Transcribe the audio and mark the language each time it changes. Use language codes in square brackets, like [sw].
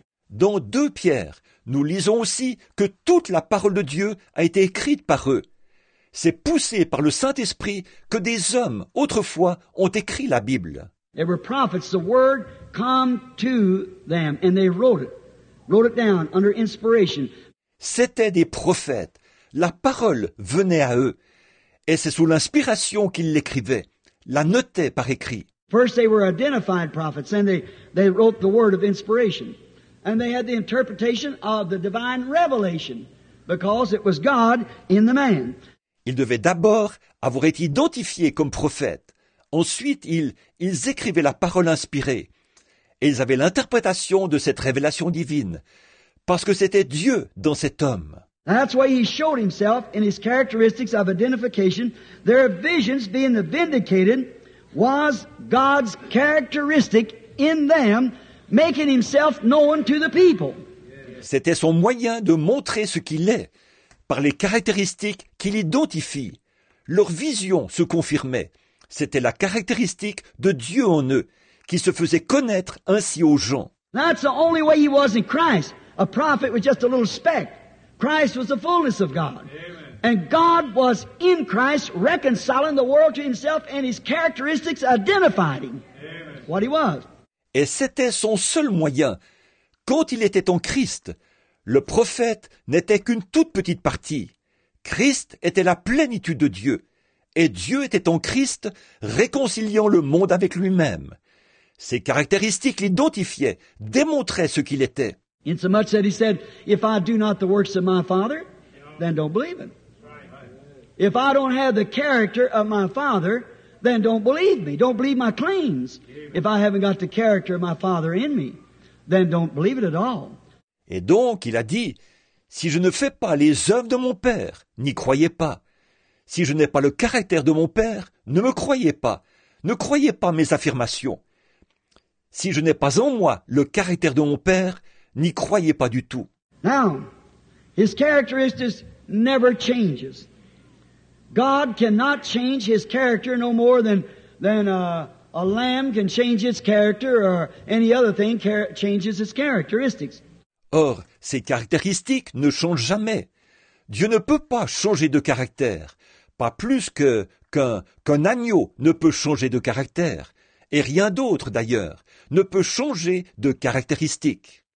[fr] Dans 2 Pierre, nous lisons aussi que toute la parole de Dieu a été écrite par eux. C'est poussé par le Saint-Esprit que des hommes, autrefois, ont écrit la Bible. [en] There were prophets, the word come to them, and they wrote it down under inspiration. [fr] C'était des prophètes. La parole venait à eux. Et c'est sous l'inspiration qu'ils l'écrivaient, la notaient par écrit. [en] First they were identified prophets, and they wrote the word of inspiration. And they had the interpretation of the divine revelation, because it was God in the man. [fr] Ils devaient d'abord avoir été identifiés comme prophètes. Ensuite, ils écrivaient la parole inspirée. Et ils avaient l'interprétation de cette révélation divine, parce que c'était Dieu dans cet homme. [en] That's why he showed himself in his characteristics of identification. Their visions being the vindicated was God's characteristic in them, making himself known to the people. [fr] C'était son moyen de montrer ce qu'il est. Par les caractéristiques qu'il identifie, leur vision se confirmait. C'était la caractéristique de Dieu en eux, qui se faisait connaître ainsi aux gens. [en] That's the only way he was in Christ. A prophet was just a little speck. Christ was the fullness of God. Amen. And God was in Christ reconciling the world to himself, and his characteristics identified him. Amen. What he was. [fr] Et c'était son seul moyen. Quand il était en Christ, le prophète n'était qu'une toute petite partie. Christ était la plénitude de Dieu, et Dieu était en Christ réconciliant le monde avec lui-même. Ses caractéristiques l'identifiaient, démontraient ce qu'il était. [en] Insomuch that he said, if I do not the works of my Father, then don't believe him. If I don't have the character of my Father, then don't believe me. Don't believe my claims. If I haven't got the character of my Father in me, then don't believe it at all. [fr] Et donc, il a dit, si je ne fais pas les œuvres de mon Père, n'y croyez pas. Si je n'ai pas le caractère de mon Père, ne me croyez pas. Ne croyez pas mes affirmations. si je n'ai pas en moi le caractère de mon Père, n'y croyez pas du tout. [en] Now, his characteristics never changes. God cannot change his character no more than a lamb can change its character or any other thing changes its characteristics. [fr] Or, ses caractéristiques ne changent jamais. Dieu ne peut pas changer de caractère, pas plus qu'un agneau ne peut changer de caractère, et rien d'autre d'ailleurs ne peut changer de caractéristique.